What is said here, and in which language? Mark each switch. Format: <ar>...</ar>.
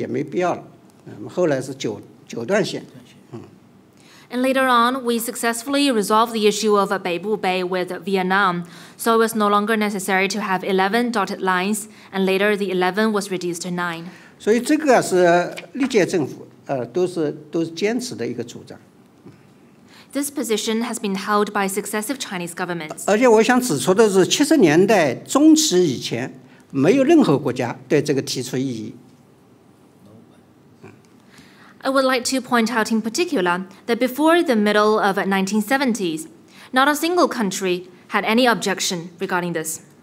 <zh>1948.当然后来我们跟越南已经成功的，就北部湾划界问题已经解决了，所以这个当然十一条断续线也没必要了。后来是九段线。</zh> <en>And later on, we successfully resolved the issue of Beibu Bay with Vietnam, so it was no longer necessary to have 11 dotted lines, and later the 11 was reduced to 9.</en> <zh>所以这个是历届政府都是坚持的一个主张。</zh> <en>This position has been held by successive Chinese governments.</en> <zh>而且我想指出的是，70年代中期以前，没有任何国家对这个提出异议。</zh> <en>I would like to point out in particular that before the middle of 1970s, not a single country had any objection regarding this.</en>